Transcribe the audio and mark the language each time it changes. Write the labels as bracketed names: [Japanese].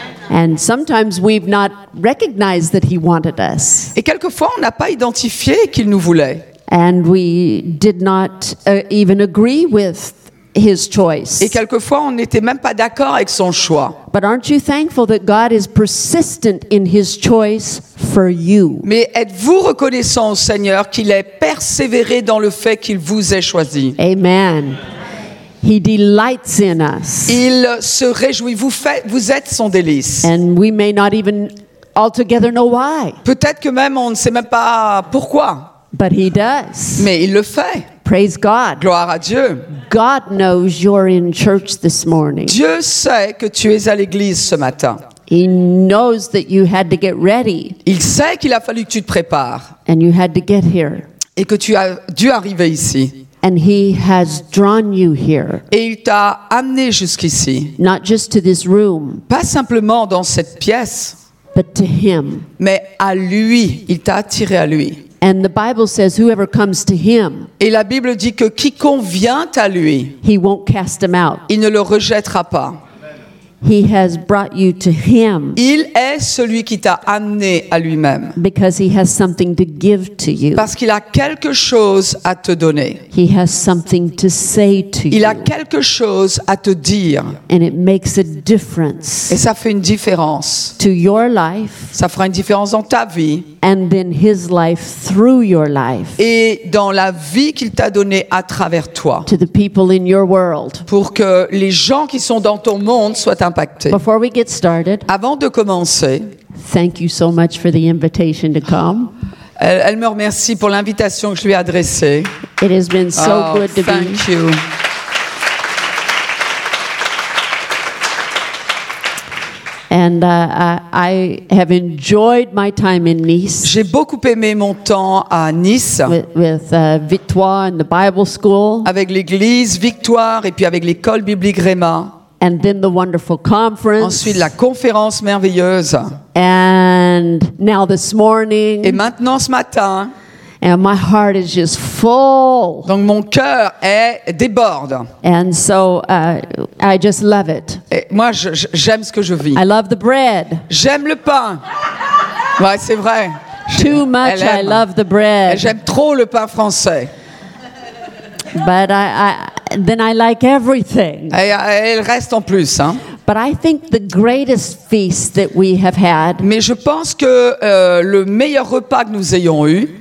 [English] And sometimes we've not recognized that he wanted us. [French] Et quelquefois on n'a pas identifié qu'il nous voulait. [English] And we did not even agree with his choice. [French] Et quelquefois, on n'était même pas d'accord avec son choix. [English] But aren't you thankful that God is persistent in his choice for you? [French] Mais êtes-vous reconnaissant au Seigneur qu'il est persévéré dans le fait qu'il vous ait choisi? [English] Amen. He delights in us. [French] Il se réjouit. Vous êtes son délice. [English] And we may not even altogether know why. [French] Peut-être que même on ne sait même pas pourquoi. [English] But he does. [French] Mais il le fait. [English] Praise God. [French] Gloire à Dieu. [English] God knows you're in church this morning. [French] Dieu sait que tu es à l'église ce matin. [English] He knows that you had to get ready. [French] Il sait qu'il a fallu que tu te prépares. [English] And you had to get here. [French] Et que tu as dû arriver ici. [English] And he has drawn you here. [French] Et il t'a amené jusqu'ici. [English] Not just to this room. [French] Pas simplement dans cette pièce. [English] But to him. [French] Mais à lui, il t'a attiré à lui. [English] And the Bible says, whoever comes to him, [French] et la Bible dit que quiconque vient à lui, [English] he won't cast him out. [French] Il ne le rejettera pas. [English] He has brought you to him. [French] Il est celui qui t'a amené à lui-même. [English] Because he has something to give to you. [French] Parce qu'il a quelque chose à te donner. [English] He has something to say to [French] il [English] you. [French] Il a quelque chose à te dire. [English] And it makes a difference. [French] Et ça fait une différence. [English] To your life. [French] Ça fera une différence dans ta vie. [English] And then his life through your life. [French] Et dans la vie qu'il t'a donnée à travers toi. [English] To the people in your world. [French] Pour que les gens qui sont dans ton monde soient impactés. [English] Before we get started, [French] avant de commencer, [English] thank you so much for the invitation to come. [French] Elle me remercie pour l'invitation que je lui ai adressée. [English] It has been so good to thank be. Thank you. And I have enjoyed my time in Nice. [French] J'ai beaucoup aimé mon temps à Nice. [English] With Victoire and the Bible School. [French] Avec l'église Victoire et puis avec l'école biblique Réma. [English] And then the wonderful conference. [French] Ensuite la conférence merveilleuse. [English] And now this morning. [French] Et maintenant ce matin. [English] And my heart is just full. [French] Donc mon cœur est déborde. [English] And so I just love it. [French] Et moi j'aime ce que je vis. [English] I love the bread. [French] J'aime le pain. Ouais, c'est vrai. [English] Too much I love the bread. [French] Et j'aime trop le pain français. [English] But then I like everything. [French] Et il reste en plus, hein. [English] But I think the greatest feast that we have had. [French] Mais je pense que le meilleur repas que nous ayons eu